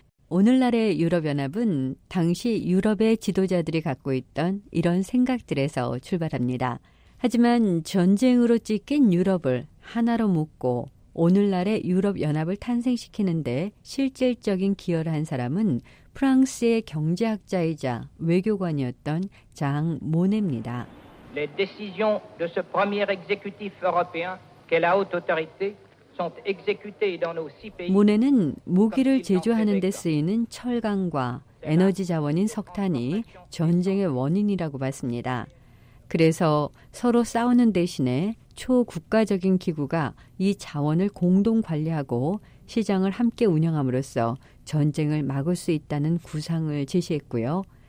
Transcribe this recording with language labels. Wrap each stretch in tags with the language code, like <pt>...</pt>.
<ko>오늘날의 유럽연합은 당시 유럽의 지도자들이 갖고 있던 이런 생각들에서 출발합니다. 하지만 전쟁으로 찢긴 유럽을 하나로 묶고 오늘날의 유럽연합을 탄생시키는데 실질적인 기여를 한 사람은 프랑스의 경제학자이자 외교관이었던 장 모네입니다.</ko> <fr>Les décisions de ce premier exécutif européen qu'est la haute autorité sont exécutées dans nos six pays.</fr> <ko>모네는 무기를 제조하는 데 쓰이는 철강과 에너지 자원인 석탄이 전쟁의 원인이라고 봤습니다. 그래서 서로 싸우는 대신에 초국가적인 기구가 이 자원을 공동 관리하고 시장을 함께 운영함으로써 전쟁을 막을 수 있다는 구상을 제시했고요.</ko>